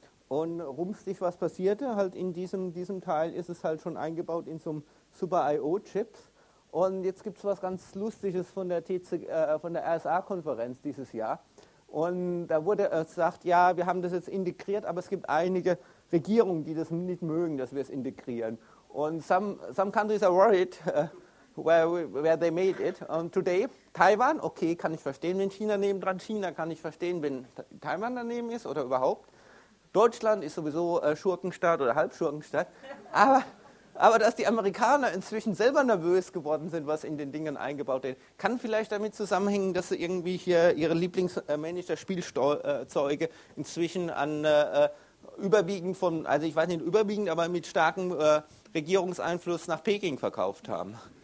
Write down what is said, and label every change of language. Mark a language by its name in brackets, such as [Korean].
[German] Und rumpstig, was passierte, halt in diesem Teil ist es halt schon eingebaut in so einem Super-IO-Chip. Und jetzt gibt es was ganz Lustiges von der RSA-Konferenz dieses Jahr. Und da wurde gesagt, ja, wir haben das jetzt integriert, aber es gibt einige Regierungen, die das nicht mögen, dass wir es integrieren. Und [English] some countries are worried where they made it. [German] Und today, Taiwan, okay, kann ich verstehen, wenn China nebendran. China kann ich verstehen, wenn Taiwan daneben ist oder überhaupt. Deutschland ist sowieso Schurkenstaat oder Halbschurkenstaat. Aber dass die Amerikaner inzwischen selber nervös geworden sind, was in den Dingen eingebaut ist, kann vielleicht damit zusammenhängen, dass sie irgendwie hier ihre Lieblingsmanager-Spielzeuge inzwischen an überwiegend von, also ich weiß nicht überwiegend, aber mit starkem Regierungseinfluss nach Peking verkauft haben.